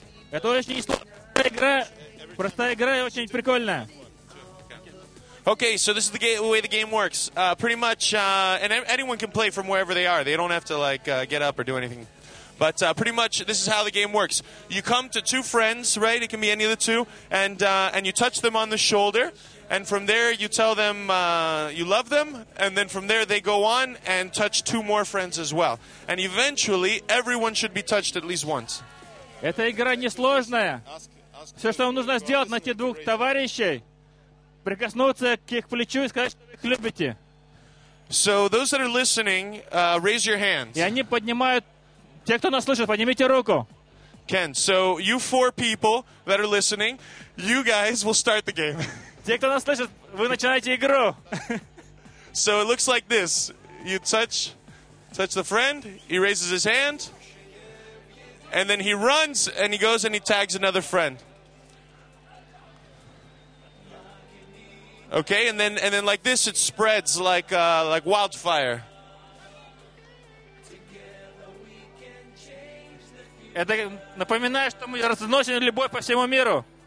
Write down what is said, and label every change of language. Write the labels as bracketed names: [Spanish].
[Russian] Это очень сложная игра, простая игра и очень прикольная. [English] Okay, so this is the way the game works. Pretty much, and anyone can play from wherever they are. They don't have to like get up or do anything. But pretty much, this is how the game works. You come to two friends, right? It can be any of the two, and you touch them on the shoulder, and from there you tell them you love them, and then from there they go on and touch two more friends as well. And eventually, everyone should be touched at least once. [Russian] Эта игра несложная. Все, что вам нужно сделать, найти двух товарищей, прикоснуться к их плечу и сказать, что вы их любите. [English] So those that are listening, raise your hands. [Russian] И они поднимают... Те, кто нас слышит, поднимите руку. [English] Ken, so you four people that are listening, you guys will start the game. [Russian] Те, кто нас слышит, вы начинаете игру. [English] So it looks like this. You touch the friend, he raises his hand... And then he runs, and he goes, and he tags another friend. Okay, and then like this, it spreads like wildfire. [Russian] Это напоминает, что мы разносим любовь по всему миру.